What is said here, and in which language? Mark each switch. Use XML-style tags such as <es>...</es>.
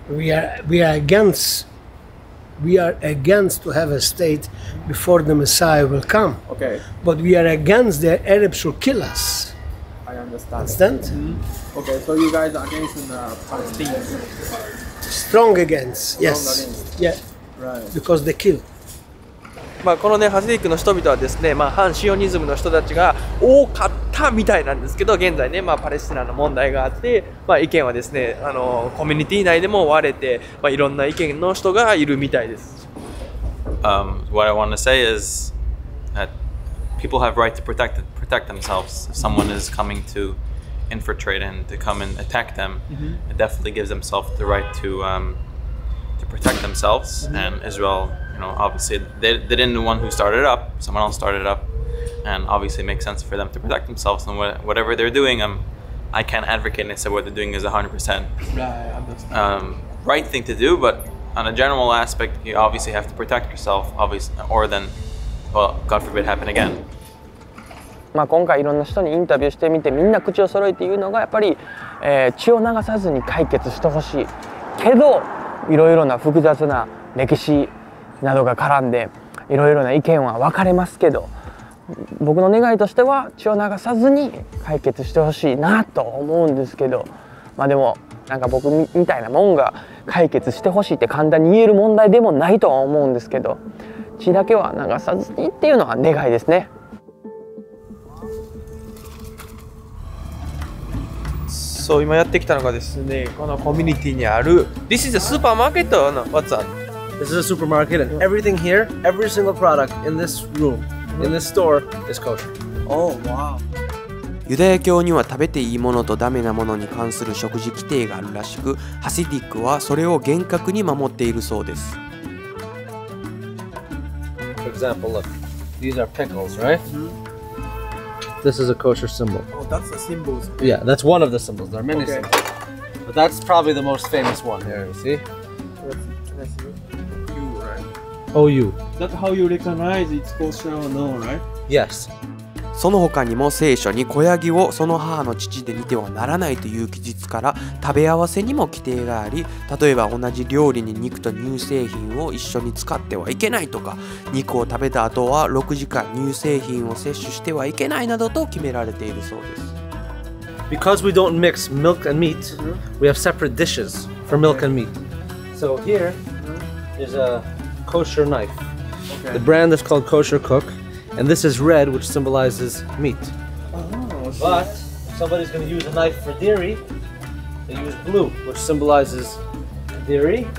<en>We are against We are against to have a state before the Messiah will come. Okay. But we are against the Arabs should kill us. I understand. Understand? Mm-hmm. Okay, so you guys are against the Palestinians? Strong against, yes. Yeah. Right. Because they kill.</en> <ja>まあ、この、ね、ハシディックの人々はですね、まあ、反シオニズムの人たちが多かったみたいなんですけど、現在ね、まあ、パレスチナの問題があって、まあ、意見はですね、コミュニティ内でも割れて、まあ、いろんな意見の人がいるみたいです。</ja> <en>What I want to say is that people have right to protect themselves. If someone is coming to infiltrate and to come and attack them, it definitely gives themselves the right to protect themselves and Israel. You know, obviously, they didn't the one who started it up. Someone else started it up, and obviously, it makes sense for them to protect themselves. And whatever they're doing, I can't advocate and say what they're doing is 100% right thing to do. But on a general aspect, you obviously have to protect yourself, obviously, or then, well, God forbid, happen again.</en> <ja>まあ今回いろんな人にインタビューしてみて、みんな口を揃えて言うのがやっぱり、血を流さずに解決してほしい。けどいろいろな複雑な歴史などが絡んでいろいろな意見は分かれますけど、僕の願いとしては血を流さずに解決してほしいなと思うんですけど、まあでもなんか僕みたいなもんが解決してほしいって簡単に言える問題でもないとは思うんですけど、血だけは流さずにっていうのは願いですね。そう、今やってきたのがですね、このコミュニティにある</ja> <en>This is a supermarket or what's up? This is a supermarket and everything here, every single product in this room, in this store, is kosher. Oh, wow.</en> <ja>ユダヤ教には食べていいものとダメなものに関する食事規定があるらしく、ハシディックはそれを厳格に守っているそうです。</ja> <en>For example, look. These are pickles, right? Mm-hmm. This is a kosher symbol. Oh, that's a symbol. Yeah, that's one of the symbols. There are many symbols. But that's probably the most famous one here, you see? Oh, you. That's how you recognize it's kosher or no, right? Yes.</en> <ja>その他にも聖書に子ヤギをその母の乳で煮てはならないという記述から食べ合わせにも規定があり、例えば同じ料理に肉と乳製品を一緒に使ってはいけないとか、肉を食べた後は6時間乳製品を摂取してはいけないなどと決められているそうです。</ja> <en>Because we don't mix milk and meat, we have separate dishes for milk and meat. So here is a... Kosher knife. Okay. The brand is called Kosher Cook, and this is red, which symbolizes meat. Oh, but if somebody's going to use a knife for dairy, they use blue, which symbolizes dairy.</en>